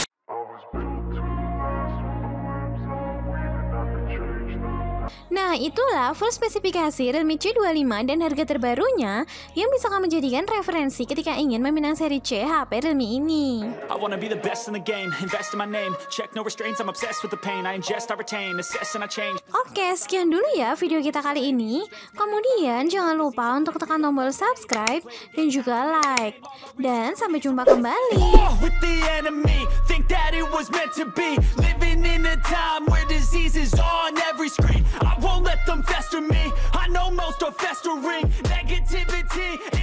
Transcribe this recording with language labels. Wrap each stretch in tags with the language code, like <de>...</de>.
<en>Always built to last, when the waves are weaving out the truth.</en> <id>Nah, itulah full spesifikasi Redmi C25 dan harga terbarunya yang bisa kamu jadikan referensi ketika ingin meminang seri C HP Redmi ini.</id> <en>I wanna be the best in the game, invest in my name, check no restraints, I'm obsessed with the pain, I ingest, I retain, assess and I change.</en> <id>Oke, sekian dulu ya video kita kali ini. Kemudian jangan lupa untuk tekan tombol subscribe dan juga like. Dan sampai jumpa kembali.</id> <en>With the enemy, think that it was meant to be. Living in a time where disease is on every screen. I won't let them fester me. I know most are festering. Negativity.</en>